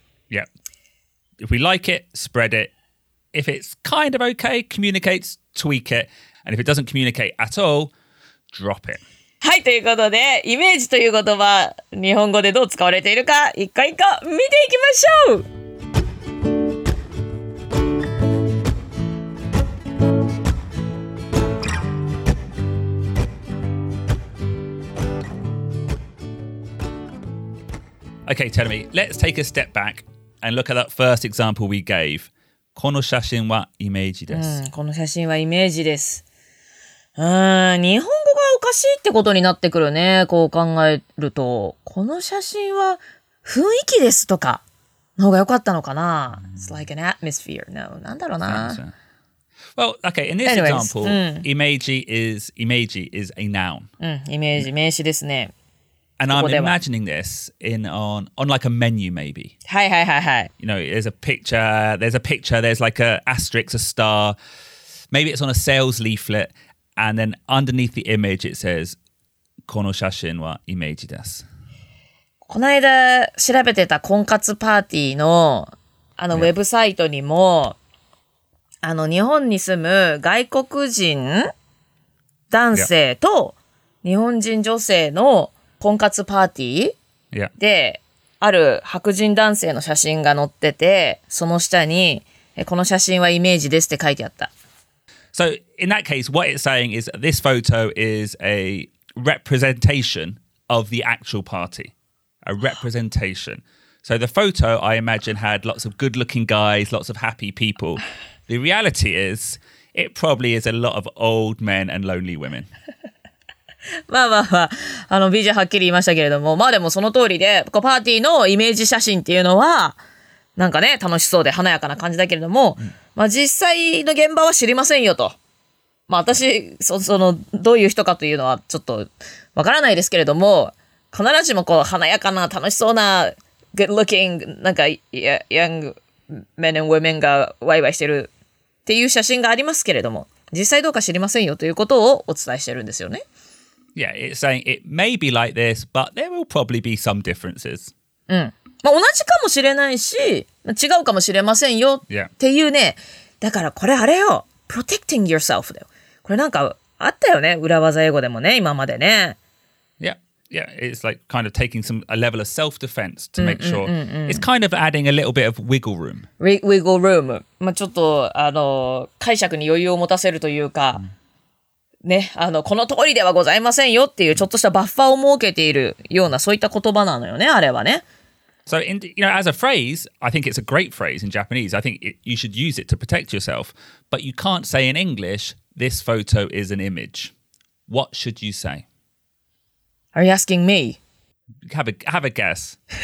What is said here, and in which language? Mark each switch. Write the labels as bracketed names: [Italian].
[English] Yeah. yeah. If we like it, spread it. If it's kind of okay, communicate, tweak it. And if it doesn't communicate at all, drop it. [Japanese] はい、ということで、イメージという言葉、日本語でどう使われているか、一個一個見ていきましょう。 Okay, tell me, let's take a step back and look at that first example we gave. この写真はイメージです。この写真はイメージです。日本語がおかしいってことになってくるね。こう考えると、この写真は雰囲気ですとかの方が良かったのかな。 [English] It's like an atmosphere. No, [Japanese] なんだろうな。 [English] Well, okay, in this example, imeji is a noun. [Japanese] イメージ、名詞ですね。 [English] And I'm imagining this on like a menu maybe. [Japanese] はいはいはいはい。 [English] You know, there's a picture, there's like a asterisk, a star. Maybe it's on a sales leaflet. And then underneath the image it says, [Japanese] この写真はイメージです。この間調べてた婚活パーティーのあのウェブサイトにも、あの日本に住む外国人男性と日本人女性の婚活パーティー、 [English] yeah. [Japanese] で、ある白人男性の写真が載ってて、その下に、この写真はイメージですって書いてあった。 [English] So, in that case, what it's saying is this photo is a representation of the actual party. A representation. So, the photo, I imagine, had lots of good-looking guys, lots of happy people. The reality is, it probably is a lot of old men and lonely women. [Japanese] まあまあまあ、あの BJ はっきり言いましたけれども、まあでもその通りで、こうパーティーのイメージ写真っていうのはなんかね、楽しそうで華やかな感じだけれども、まあ実際の現場は知りませんよと。まあ私そのどういう人かというのはちょっとわからないですけれども、必ずしもこう華やかな楽しそうな [English] good looking [Japanese] なんか [English] young men and women [Japanese] がワイワイしてるっていう写真がありますけれども、実際どうか知りませんよということをお伝えしてるんですよね。 [English] Yeah, it's saying it may be like this, but there will probably be some differences. [Japanese] まあ同じかもしれないし、違うかもしれませんよ、 [English] yeah. [Japanese] っていうね。だからこれあれよ、 [English] protecting yourself [Japanese] だよ。これなんかあったよね、裏技英語でもね、今までね。 [English] Yeah, yeah, it's like kind of taking some a level of self-defense to make sure. It's kind of adding a little bit of wiggle room. Wiggle room. [Japanese] まあちょっとあの解釈に余裕を持たせるというか、ね、あのこの通りではございませんよっていうちょっとしたバッファーを設けているようなそういった言葉なのよね、あれはね。 [English] So, in, you know, as a phrase, I think it's a great phrase in Japanese. I think it, you should use it to protect yourself. But you can't say in English, this photo is an image. What should you say? Are you asking me? Have a guess.